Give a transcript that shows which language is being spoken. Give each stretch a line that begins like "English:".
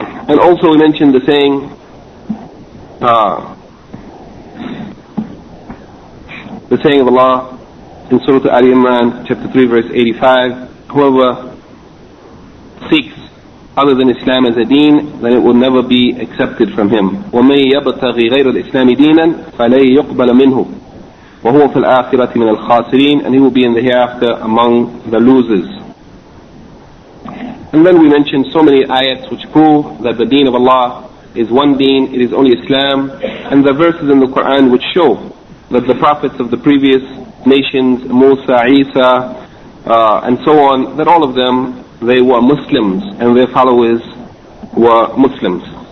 English: And also we mentioned the saying, the saying of Allah in Surah Ali Imran, chapter 3, verse 85, whoever seeks other than Islam as a deen, then it will never be accepted from him.
Arabic: وَمَنْ يَبْتَغِي غَيْرَ الْإِسْلَامِ دِينًا فَلَيْ يُقْبَلَ مِنْهُ وَهُوَ فِي الْآخِرَةِ مِنَ الْخَاسِرِينَ,
English: and he will be in the hereafter among the losers. And then we mentioned so many ayats which prove that the deen of Allah is one deen, it is only Islam, and the verses in the Quran which show that the prophets of the previous nations, Musa, Isa, and so on, that all of them, they were Muslims, and their followers were Muslims.